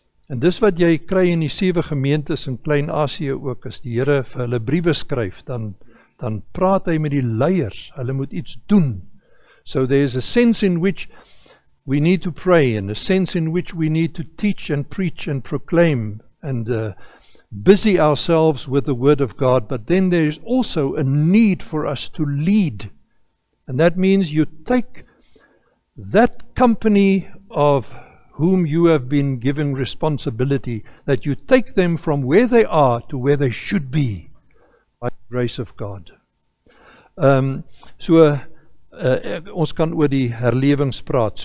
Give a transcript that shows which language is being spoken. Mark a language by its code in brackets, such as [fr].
[af] En dis wat jy kry in die sewe gemeentes in Klein-Asië ook, as die Here vir hulle briewe skryf, dan praat hy met die leiers, hulle moet iets doen. [en] So there is a sense in which we need to pray, and a sense in which we need to teach and preach and proclaim and busy ourselves with the Word of God. But then there is also a need for us to lead. And that means you take that company of whom you have been given responsibility, that you take them from where they are to where they should be by the grace of God. [af] Ons kan oor die herlewings praat.